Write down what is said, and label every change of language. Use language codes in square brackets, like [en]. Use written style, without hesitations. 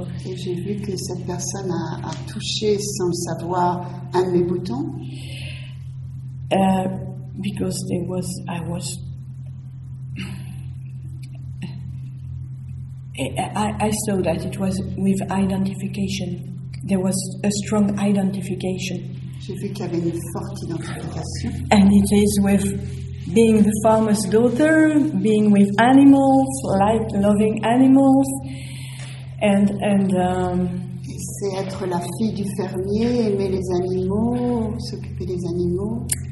[fr] Et j'ai vu que cette personne a touché sans le savoir un de mes boutons. [en] Because I was. I saw that it was with identification. There was a strong identification. [fr] J'ai vu qu'il y avait une forte identification. [en] And it is with being the farmer's daughter, being with animals, like loving animals, and [fr] c'est être la fille du fermier, aimer les animaux, s'occuper des animaux.